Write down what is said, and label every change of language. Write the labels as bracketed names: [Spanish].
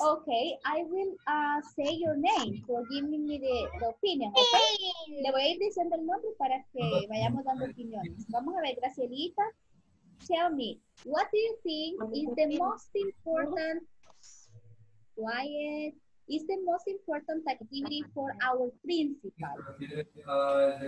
[English] Okay, I will say your name for giving me the opinion. Okay? [Spanish] Le voy a ir diciendo el nombre para que vayamos dando opiniones. Vamos a ver, Gracielita. [English] Tell me, what do you think is the most important activity for our principal?